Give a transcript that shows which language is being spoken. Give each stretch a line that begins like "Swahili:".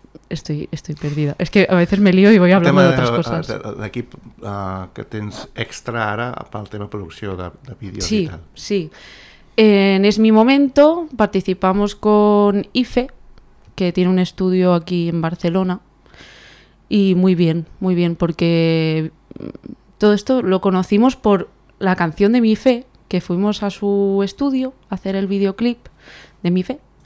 Spanish: Estoy perdida. Es que a veces me lío y voy hablando de otras cosas.
Catalan: L'equip que tens extra ara pel tema producció de vídeos sí, i tal. Sí, sí.
Spanish: En Es mi momento participamos con IFE, que tiene un estudio aquí en Barcelona. Y muy bien, porque todo esto lo conocimos por la canción de Mi Fe, que fuimos a su estudio a hacer el videoclip de Mi Fe.